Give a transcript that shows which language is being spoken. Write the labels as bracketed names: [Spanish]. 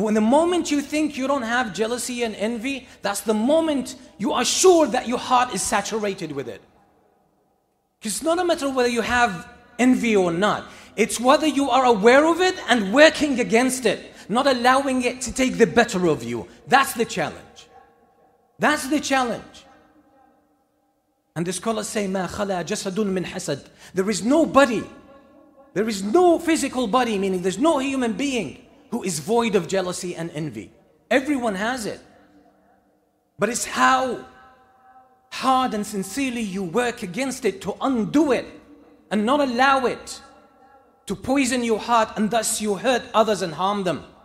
[English] When the moment you think you don't have jealousy and envy, that's the moment you are sure that your heart is saturated with it. Because it's not a matter of whether you have envy or not. It's whether you are aware of it and working against it, not allowing it to take the better of you. That's the challenge. That's the challenge. [Arabic] And the scholars say, مَا خَلَى جَسَدٌ مِّنْ حَسَدٍ. [English] There is no body. There is no physical body, meaning there's no human being who is void of jealousy and envy. Everyone has it. But it's how hard and sincerely you work against it to undo it and not allow it to poison your heart, and thus you hurt others and harm them.